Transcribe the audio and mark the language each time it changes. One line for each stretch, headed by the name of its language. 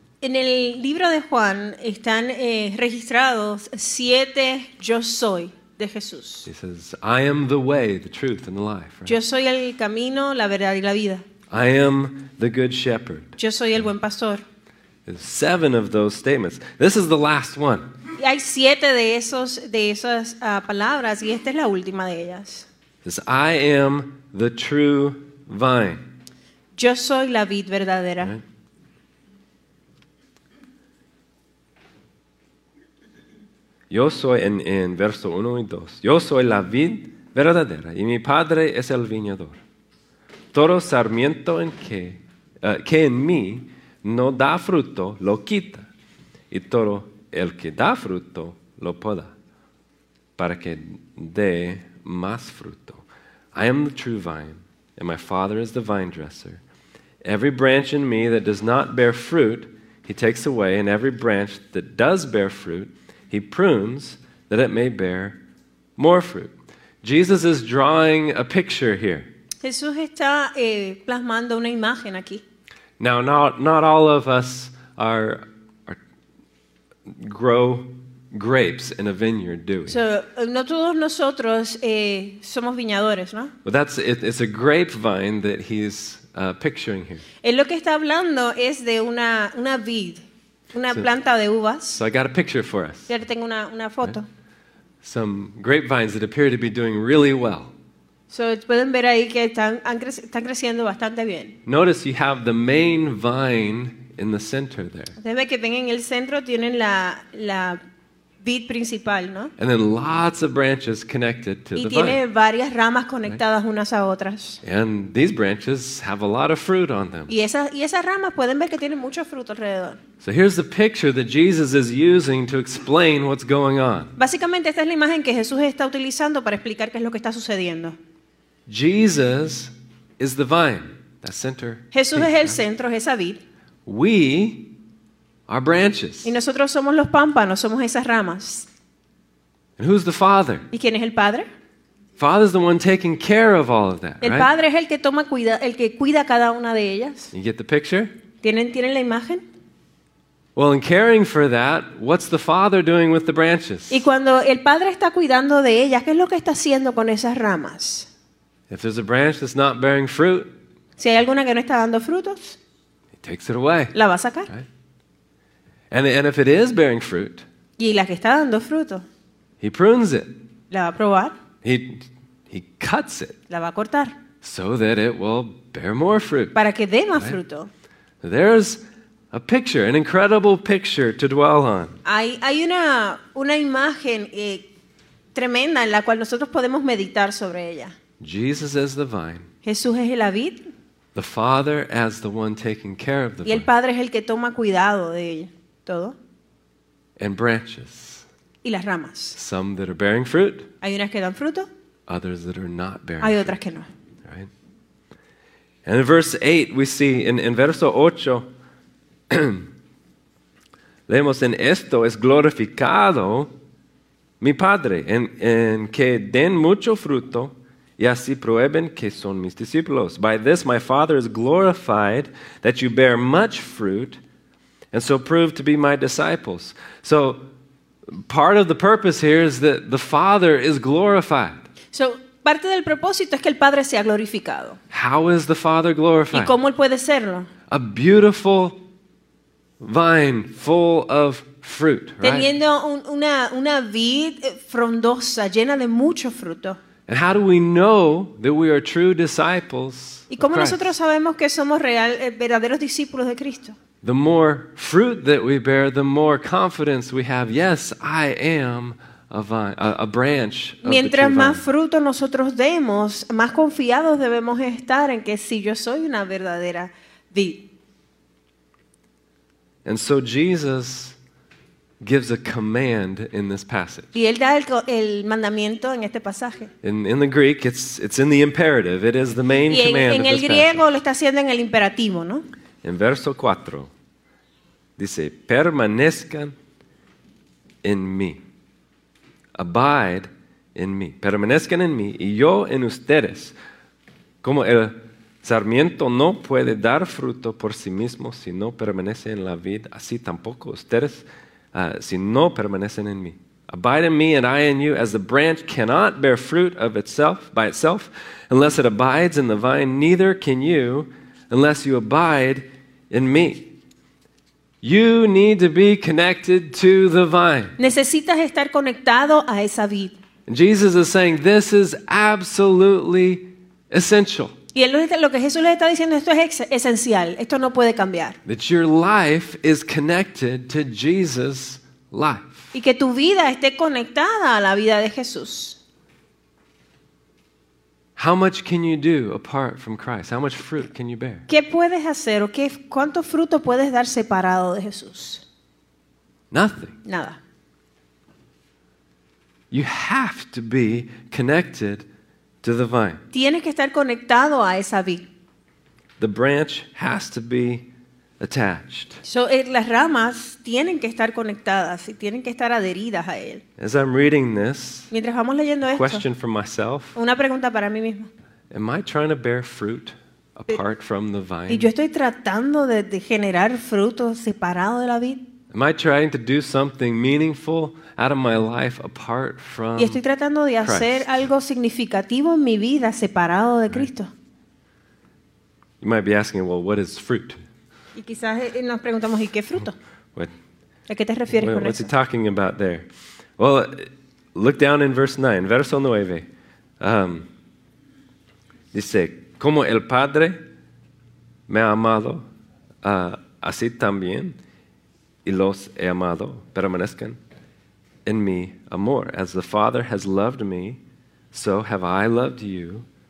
Spanish: En el libro de Juan están registrados 7 yo soy de Jesús.
English: He says, I am the way, the truth, and the life. Right?
Spanish: Yo soy el camino, la verdad y la vida.
English: I am the good shepherd.
Spanish: Yo soy el buen pastor.
English: There's 7 of those statements. This is the last one.
Spanish: Y hay 7 de esas palabras y esta es la última de ellas.
English: Says, I am the true vine.
Spanish: Yo soy la vid verdadera.
English: Right?
Spanish: Yo soy en verso 1 y 2. Yo soy la vid verdadera y mi padre es el viñador. Todo sarmiento que en mí no da fruto lo quita y todo el que da fruto lo poda para que dé más fruto.
English: I am the true vine. And my Father is the vine dresser. Every branch in me that does not bear fruit, he takes away. And every branch that does bear fruit, he prunes that it may bear more fruit. Jesus is drawing a picture here.
Spanish: Jesús está plasmando una imagen aquí.
English: Now, not all of us are grow grapes in a vineyard, do we?
Spanish: So, no todos nosotros somos viñadores, ¿no?
English: But it's a grapevine that he's picturing here.
Spanish: Él lo que está hablando es de una vid, una planta de uvas.
English: So I got a picture for us.
Spanish: Ya tengo una foto.
English: Some grapevines that appear to be doing really well.
Spanish: So pueden ver ahí que están creciendo bastante bien.
English: Notice you have the main vine in the center there.
Spanish: Ustedes ven que ven en el centro tienen la vid principal, ¿no?
English: And then lots of branches connected to
Spanish: y
English: the vine.
Spanish: Y tiene varias ramas conectadas
English: right?
Spanish: unas a otras.
English: And these branches have a lot of fruit on them.
Spanish: Y esas ramas pueden ver que tienen mucho fruto alrededor.
English: So here's the picture that Jesus is using to explain what's going on.
Spanish: Básicamente esta es la imagen que Jesús está utilizando para explicar qué es lo que está sucediendo.
English: Jesus is the vine, that center.
Spanish: Jesús es el centro, es esa vid.
English: We are branches.
Spanish: Y nosotros somos los pámpanos, somos esas ramas.
English: And who's the Father?
Spanish: ¿Y quién es el Padre?
English: Father's the one taking care of all of that,
Spanish: el
English: right?
Spanish: Padre es el que cuida cada una de ellas.
English: You get the picture?
Spanish: ¿Tienen la imagen?
English: Well, in caring for that, what's the Father doing with the branches?
Spanish: Y cuando el Padre está cuidando de ellas, ¿qué es lo que está haciendo con esas ramas?
English: If there's a branch that's not bearing fruit,
Spanish: si hay alguna que no está dando frutos,
English: he takes it away.
Spanish: La va a sacar.
English: Right? And if it is bearing fruit,
Spanish: y la que está dando fruto,
English: he prunes it.
Spanish: La va a probar.
English: He cuts it.
Spanish: La va a cortar.
English: So that it will bear more fruit.
Spanish: Para que dé más fruto.
English: There's a picture, an incredible picture to dwell on.
Spanish: Hay una imagen tremenda en la cual nosotros podemos meditar sobre ella.
English: Jesus is the vine.
Spanish: Jesús es la vid.
English: The Father as the one taking care of the vine.
Spanish: Y el Padre es el que toma cuidado de ella. Todo.
English: And branches.
Spanish: Y las ramas.
English: Some that are bearing fruit.
Spanish: Hay unas que dan fruto.
English: Others that are not bearing.
Spanish: Hay otras que no.
English: Right. And in verse 8 we see
Spanish: in verso 8 leemos en esto es glorificado mi Padre en que den mucho fruto y así prueben que son mis discípulos.
English: By this my Father is glorified that you bear much fruit. And so prove to be my disciples. So part of the purpose here is that the Father is glorified.
Spanish: So, parte del propósito es que el Padre sea glorificado.
English: How is the Father glorified?
Spanish: ¿Y cómo él puede serlo?
English: A beautiful vine full of fruit, right?
Spanish: Teniendo una vid frondosa llena de mucho fruto.
English: And how do we know that we are true disciples?
Spanish: ¿Y cómo nosotros sabemos que somos verdaderos discípulos de Cristo?
English: The more fruit that we bear, the more confidence we have. Yes, I am a branch of the true vine.
Spanish: Mientras más fruto nosotros demos, más confiados debemos estar en que sí, yo soy una verdadera vid.
English: And so Jesus gives a command in this passage.
Spanish: Y él da el mandamiento en este pasaje.
English: In the Greek, it's in the imperative. It is the main command of this passage.
Spanish: Y en el griego lo está haciendo en el imperativo, ¿no? En verso 4, dice, permanezcan en mí.
English: Abide in me.
Spanish: Permanezcan en mí y yo en ustedes. Como el sarmiento no puede dar fruto por sí mismo si no permanece en la vid, así tampoco ustedes si no permanecen en mí.
English: Abide in me and I in you, as the branch cannot bear fruit of itself by itself unless it abides in the vine, neither can you unless you abide in me. You need to be connected to the vine.
Spanish: Necesitas estar conectado a esa vid.
English: And Jesus is saying this is absolutely essential.
Spanish: Y lo que Jesús les está diciendo, esto es esencial, esto no puede cambiar.
English: That your life is connected to Jesus' life.
Spanish: Y que tu vida esté conectada a la vida de Jesús.
English: How much can you do apart from Christ? How much fruit can you bear?
Spanish: ¿Qué puedes hacer o cuánto fruto puedes dar separado de Jesús?
English: Nothing.
Spanish: Nada.
English: You have to be connected to the vine.
Spanish: Tienes que estar conectado a esa vid.
English: The branch has to be attached.
Spanish: So, las ramas tienen que estar conectadas y tienen que estar adheridas a él.
English: As I'm reading this,
Spanish: mientras vamos leyendo esto,
English: question for myself,
Spanish: una pregunta para mí mismo.
English: Am I trying to bear fruit apart from the vine?
Spanish: ¿Y yo estoy tratando de generar fruto separado de la vid?
English: Am I trying to do something meaningful out of my life apart from?
Spanish: ¿Y estoy tratando de hacer
English: Christ?
Spanish: Algo significativo en mi vida separado de Cristo?
English: You might be asking, well, what is fruit?
Spanish: Y quizás nos preguntamos, ¿y qué fruto? ¿A qué te refieres con eso?
English: What's he talking about there? Well, look down in verse 9.
Spanish: Verso 9. Dice, como el Padre me ha amado, así también y los he amado, permanezcan en mi amor.
English: As the Father has loved me, so have I loved you.